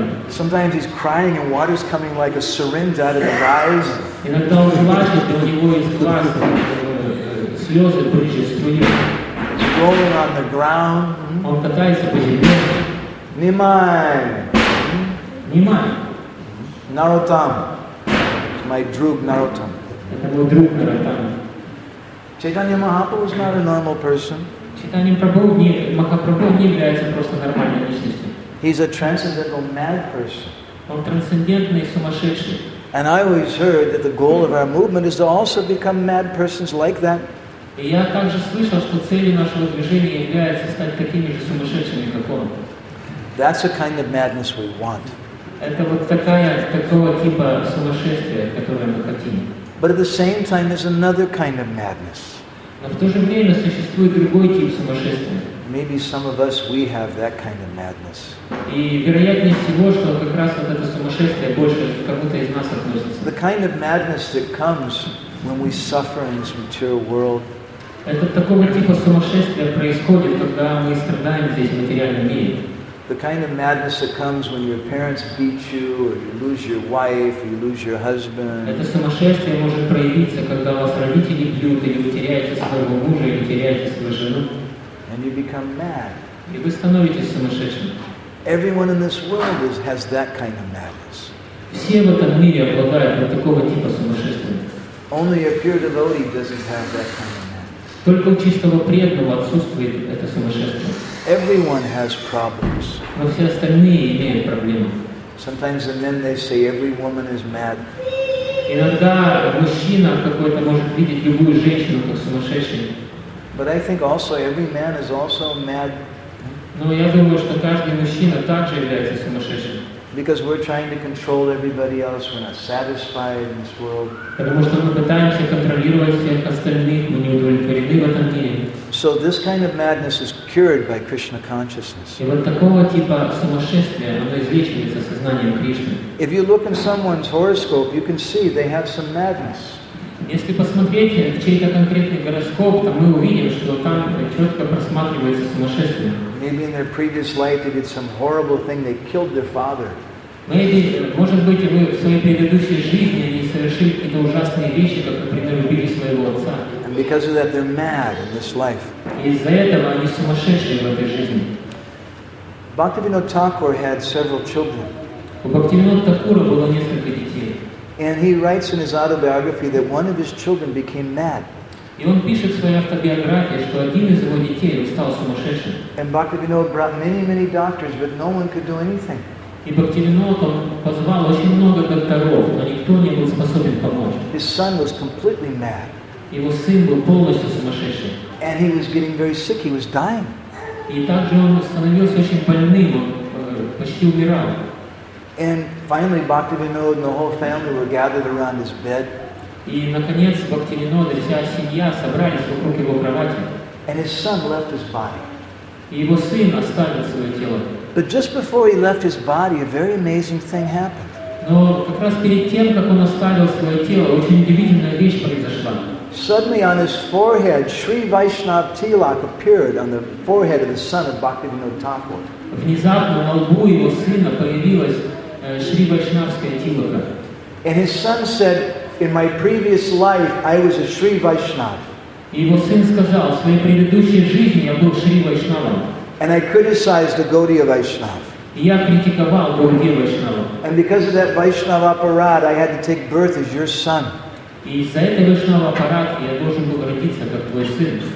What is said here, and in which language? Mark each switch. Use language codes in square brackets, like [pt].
[en] Sometimes he's crying and water's coming like a syringe out of the eyes. [ru] Иногда он плачет, у него из глаз слезы брызжут. [en] rolling on the ground. [ru] Он катается по земле. [en] Nimai. [ru] Nimai. [en] Narottam. My [ru] друг [en] Narottam. [ru] Это мой друг Narottam. [en] Chaitanya Mahaprabhu was not a normal person. [ru] Chaitanya Mahaprabhu не является просто нормальной личностью. [en] He's a transcendental mad person. [ru] Он трансцендентный сумасшедший. [en] And I always heard that the goal of our movement is to also become mad persons like that. [ru] И я также слышал, что целью нашего движения является стать такими же сумасшедшими, как он. [en] That's the kind of madness we want. [ru] Это вот такого типа сумасшествия, которое мы хотим. [en] But at the same time, there's another kind of madness. [ru] Но в то же время существует другой тип сумасшествия. [en] Maybe some of us, we have that kind of madness. [ru] И вероятность всего, что как раз вот это сумасшествие больше к кому-то из нас относится. [en] The kind of madness that comes when we suffer in this material world. [ru] Это такого типа сумасшествия происходит, когда мы страдаем здесь в материальном мире. [en] The kind of madness that comes when your parents beat you, or you lose your wife, or you lose your husband. [ru] Это сумасшествие может проявиться, когда вас родители бьют, или вы теряете своего мужа, или теряете свою жену. [en] And you become mad. [ru] И вы становитесь сумасшедшим. [en] Everyone in this world has that kind of madness. [ru] Все в этом мире обладают вот такого типа сумасшествия. [en] Only a pure devotee doesn't have that kind of madness. [ru] Только у чистого преданного отсутствует это сумасшествие. [en] Everyone has problems. [ru] Но все остальные имеют проблемы. [en] Sometimes and then they say every woman is mad. [ru] Иногда мужчина какой-то может видеть любую женщину как сумасшедшую. [en] But I think also every man is also mad. [ru] Но я думаю, что каждый мужчина также является сумасшедшим. [en] Because we're trying to control everybody else, we're not satisfied in this world. [ru] Потому что мы пытаемся контролировать всех остальных, мы не удовлетворены в этом мире. [en] So this kind of madness is cured by Krishna consciousness. [ru] И вот такого типа сумасшествия, оно излечивается сознанием Кришны. [en] If you look in someone's horoscope, you can see they have some madness. [ru] Если посмотреть в чей-то конкретный гороскоп, то мы увидим, что там четко просматривается сумасшествие. [en] Maybe in their previous life they did some horrible thing, they killed their father. Maybe, [ru] может быть, вы в своей предыдущей жизни они совершили какие-то ужасные вещи, как, например, убили своего отца. [en] And because of that they're mad in this life. [ru] И из-за этого они сумасшедшие в этой жизни. [en] Bhaktivinoda Thakur had several children. [ru] У Бхактивинода Такура было несколько детей. [en] And he writes in his autobiography that one of his children became mad. [ru] И он пишет в своей автобиографии, что один из его детей стал сумасшедшим. [en] And Bhaktivinoda brought many, many doctors, but no one could do anything. [ru] И Бхактивинода позвал очень много докторов, но никто не был способен помочь. [en] His son was completely mad. [ru] Его сын был полностью сумасшедшим. [en] And he was getting very sick, he was dying. [ru] И также он становился очень больным, он почти умирал. [en] And finally, Bhaktivinoda and the whole family were gathered around his bed. [ru] И наконец Бхактивинода и вся семья собрались вокруг его кровати. [en] And his son left his body. [ru] И его сын оставил свое тело. [en] But just before he left his body, a very amazing thing happened. [ru] Но как раз перед тем, как он оставил свое тело, очень удивительная вещь произошла. [en] Suddenly, on his forehead, Sri Vaishnav Tilak appeared on the forehead of the son of Bhaktivinoda Thakur. [ru] Внезапно на лбу его сына появилась Шри Вайшнавская Тилака. [en] And his son said, in my previous life, I was a Sri Vaishnav. [ru] Его сын сказал, в своей предыдущей жизни я был Шри Вайшнавом. [en] And I criticized the Gaudiya Vaishnav. [ru] И я критиковал Гаудия Вайшнава. [en] And because of that Vaishnav aparad, I had to take birth as your son. [ru] И из-за этого Вайшнава аппарата я должен был родиться как твой сын.